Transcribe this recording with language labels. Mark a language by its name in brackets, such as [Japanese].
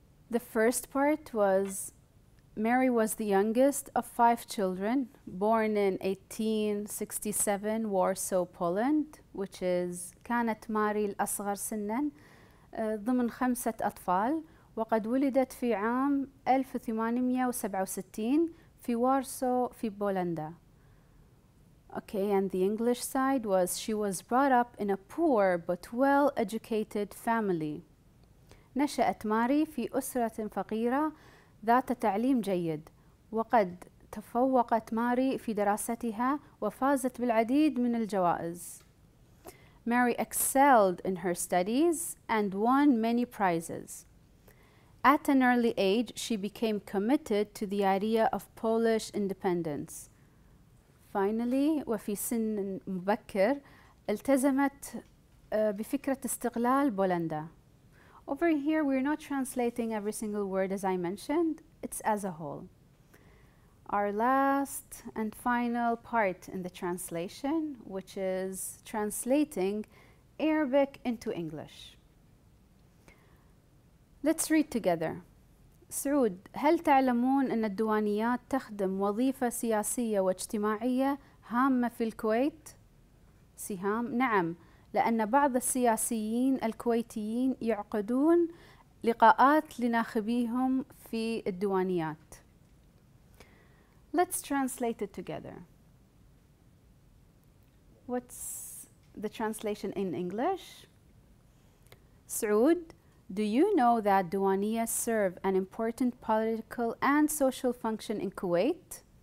[English] The first part was, Mary was the youngest of 5 children, born in 1867, Warsaw, Poland, which is [Arabic] كانت ماري الأصغر سنًا ضمن 5 أطفال وقد ولدت في عام 1867 في وارسو في بولندا. [English] Okay, and the English side was she was brought up in a poor but well-educated family. [Arabic] نشأت ماري في أسرة فقيرة ذات تعليم جيد وقد تفوقت ماري في دراستها وفازت بالعديد من الجوائز. [English] Mary excelled in her studies and won many prizes. At an early age, she became committed to the idea of Polish independence. Finally, [Arabic] وفي سن مبكر التزمت بفكرة استقلال بولندا. [English] Over here, we're not translating every single word as I mentioned. It's as a whole. Our last and final part in the translation, which is translating Arabic into English. Let's read together. [Arabic] سعود, هل تعلمون أن الديوانيات تخدم وظيفة سياسية واجتماعية هامة في الكويت؟ سهام, نعم, لأن بعض السياسيين الكويتيين يعقدون لقاءات لناخبيهم في الديوانيات. [English] Let's translate it together. What's the translation in English? سعود, do you know that diwaniyas serve an important political and social function in Kuwait?